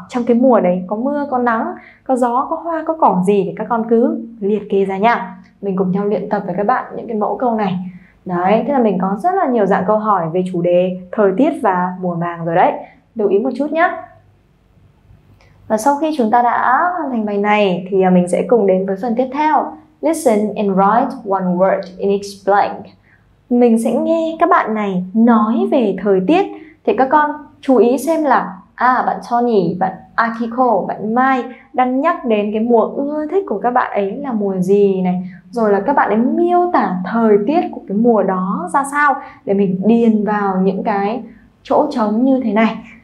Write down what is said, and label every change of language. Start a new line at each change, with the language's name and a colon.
Vietnamese: Trong cái mùa đấy có mưa, có nắng, có gió, có hoa, có cỏ gì thì các con cứ liệt kê ra nha. Mình cùng nhau luyện tập với các bạn những cái mẫu câu này. Đấy, thế là mình có rất là nhiều dạng câu hỏi về chủ đề thời tiết và mùa màng rồi đấy. Lưu ý một chút nhé. Và sau khi chúng ta đã hoàn thành bài này thì mình sẽ cùng đến với phần tiếp theo.
English: Listen and write one word in each blank.
Vietnamese: Mình sẽ nghe các bạn này nói về thời tiết. Thì các con chú ý xem là bạn Tony, bạn Akiko, bạn Mai đang nhắc đến cái mùa ưa thích của các bạn ấy là mùa gì này. Rồi là các bạn ấy miêu tả thời tiết của cái mùa đó ra sao để mình điền vào những cái chỗ trống như thế này.